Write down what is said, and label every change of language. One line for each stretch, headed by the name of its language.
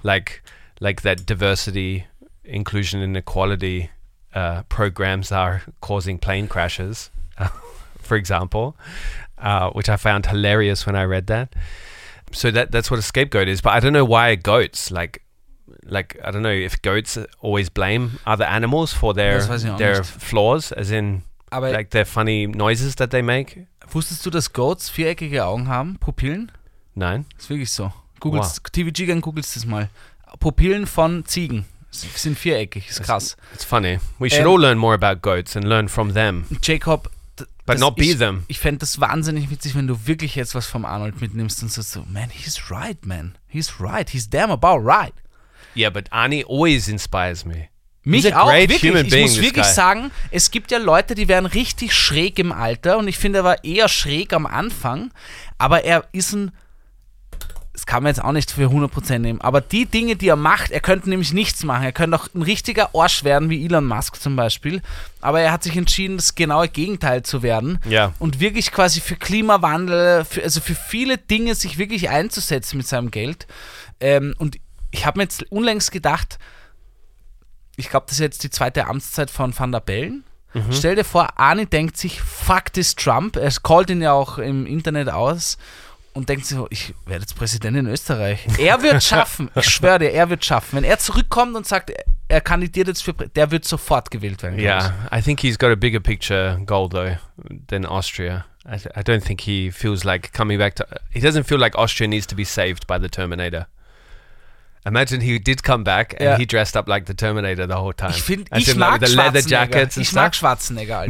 English: Like that diversity, inclusion and equality programs are causing plane crashes, for example, which I found hilarious when I read that. So that's what a scapegoat is. But I don't know why goats, like I don't know if goats always blame other animals for their flaws, as in, aber like the funny noises that they make.
German: Wusstest du, dass Goats viereckige Augen haben, Pupillen? Nein. Ist wirklich so. Googles, wow. TVG-Gang, googelst das mal. Pupillen von Ziegen. Sind viereckig. Ist krass.
English: It's funny. We should all learn more about goats and learn from them. Jacob. But not be them.
German: Ich fände das wahnsinnig witzig, wenn du wirklich jetzt was vom Arnold mitnimmst und sagst so,
English: man, he's right, man. He's right. He's damn about right. Yeah, but Arnie always inspires me.
German: Mich auch, wirklich. Ich muss wirklich sagen, es gibt ja Leute, die werden richtig schräg im Alter und ich finde, er war eher schräg am Anfang, aber er ist ein, das kann man jetzt auch nicht für 100% nehmen, aber die Dinge, die er macht, er könnte nämlich nichts machen. Er könnte auch ein richtiger Arsch werden, wie Elon Musk zum Beispiel, aber er hat sich entschieden, das genaue Gegenteil zu werden. Ja. Und wirklich quasi für Klimawandel, für, also für viele Dinge sich wirklich einzusetzen mit seinem Geld. Und ich habe mir jetzt unlängst gedacht, ich glaube, das ist jetzt die zweite Amtszeit von Van der Bellen. Mhm. Stell dir vor, Arnie denkt sich,
English: fuck this Trump.
German: Er callt ihn ja auch im Internet aus und denkt sich, ich werde jetzt Präsident in Österreich. Er wird schaffen. Ich schwöre dir, er wird schaffen. Wenn er zurückkommt und sagt, er kandidiert jetzt für der wird sofort gewählt werden.
English: Yeah, I think he's got a bigger picture goal though than Austria. I don't think he feels like coming back to... He doesn't feel like Austria needs to be saved by the Terminator. Imagine he did come back and he dressed up like the Terminator the whole time.
German: Ich mag Schwarzenegger, Alter.